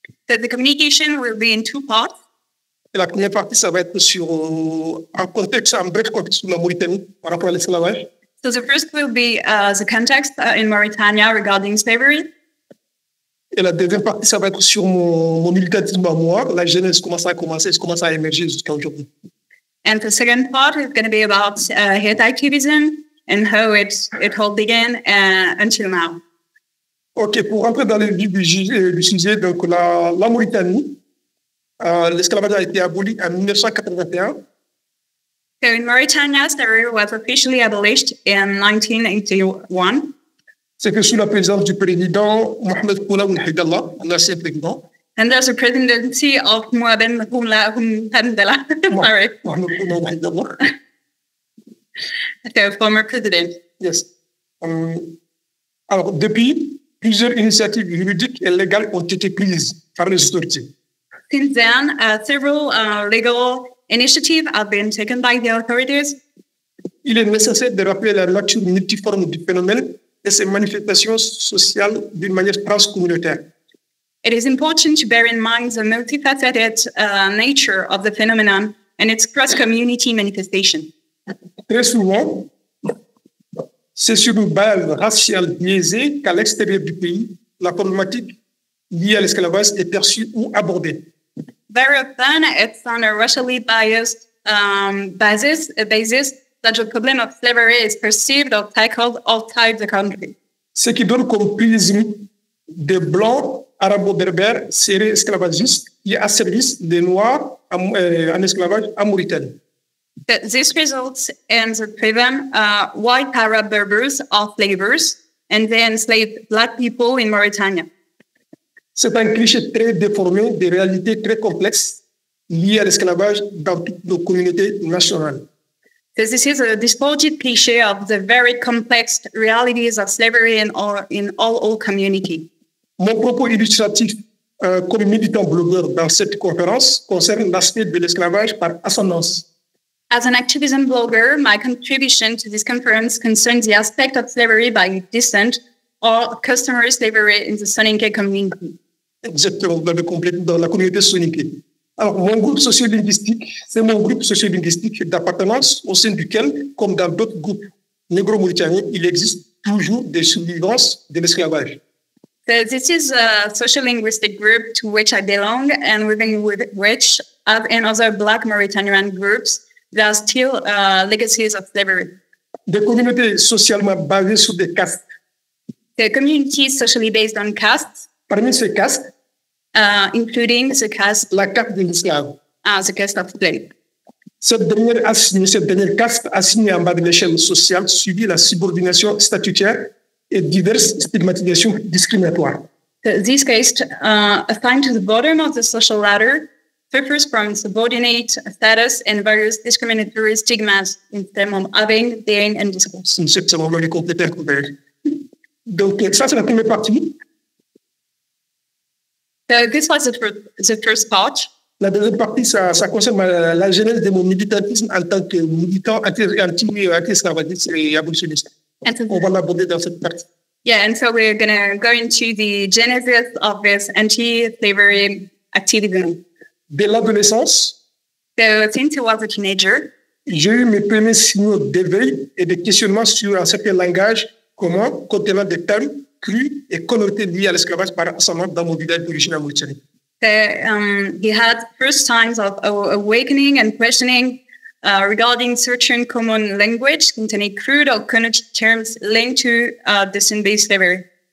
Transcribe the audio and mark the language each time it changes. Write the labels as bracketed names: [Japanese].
[English] So the communication will be in two parts. [French] La première partie, ça va être sur un contexte, un bref contexte sur la Mauritanie par rapport à l'esclavage. [English] So the first will be the context in Mauritania regarding slavery. [French] Et la deuxième partie, ça va être sur mon militantisme à moi, la jeunesse, comment ça a commencé, comment ça a émergé jusqu'à aujourd'hui. [English] And the second part is going to be about hate activism and how it all began until now. [French] OK, pour rentrer dans le vif du sujet, donc la Mauritanie, l'esclavage a été aboli en 1981. [English] So in Mauritania, slavery was officially abolished in 1981. [French] C'est que sous la présidence du président Mohamed Koulam Hidallah, l'ancien président. [English] And there's a presidency of Mohamed Koulam Hidallah. Sorry. Mohamed Koulam Hidallah. The former president. Yes. [French] Alors, depuis, plusieurs initiatives juridiques et légales ont été prises par les autorités. [English] Since then, several legal initiatives have been taken by the authorities. [French] Il est nécessaire de rappeler la nature multiforme du phénomène et ses manifestations sociales d'une manière transcommunautaire. [English] It is important to bear in mind the multifaceted nature of the phenomenon and its cross-community manifestation. [French] Très souvent, c'est sur une base raciale biaisée qu'à l'extérieur du pays, la problématique liée à l'esclavage est perçue ou abordée. [English] Very often, it's on a racially biased basis that the problem of slavery is perceived or tackled outside the country. [French] Ce qui donne comme prisme des blancs arabo-berbères serait esclavagiste et asservisse des noirs en esclavage à Mauritanie. [English] That this results in the problem white Arab Berbers are slavers and they enslave black people in Mauritania. [French] C'est un cliché très déformé des réalités très complexes liées à l'esclavage dans toutes nos communautés nationales. [English] This is a distorted cliché of the very complex realities of slavery in all communities. [French] Mon propos illustratif comme militant blogueur dans cette conférence concerne l'aspect de l'esclavage par ascendance. [English] As an activism blogger, my contribution to this conference concerns the aspect of slavery by descent or customary slavery in the Soninké community. [French] Exactement, vous l'avez complété dans la communauté Soninké. Alors, mon groupe sociolinguistique, c'est mon groupe sociolinguistique d'appartenance au sein duquel, comme dans d'autres groupes négro-mauritaniens, il existe toujours des survivances de l'esclavage. [English] So this is a sociolinguistic group to which I belong and within which, as in other Black Mauritanian groups, there are still legacies of slavery. [French] Des communautés socialement basées sur des castes. [English] The communities socially based on castes. [French] Parmi ces castes. [English] Including the caste. [French] La caste de l'esclave. [English] The caste of slave. [French] Cette dernière caste assignée en bas de l'échelle sociale subit la subordination statutaire et diverses stigmatisations discriminatoires. [English] This caste, assigned to the bottom of the social ladder, suffers from subordinate status and various discriminatory stigmas in terms of having, being, and discourse. [French] Exactement, vous l'avez complété un couvert. Donc, ça, c'est la première partie. [English] So, this was the first part. [French] La deuxième partie, ça concerne la genèse de mon militantisme en tant que militant anti-esclavagiste et abolitionniste. On va l'aborder dans cette partie. [English] Yeah, and so we're going to go into the genesis of this anti-slavery activism. [French] Dès l'adolescence, [English] so, since I was a teenager, [French] j'ai eu mes premiers signaux d'éveil et de questionnement sur un certain langage commun contenant des termes crus et connotés liés à l'esclavage par ascendance dans mon village d'origine à Mauritanie. [English] So, he had first signs of awakening and questioning regarding certain common language containing crude or connotative terms linked to descent-based slavery.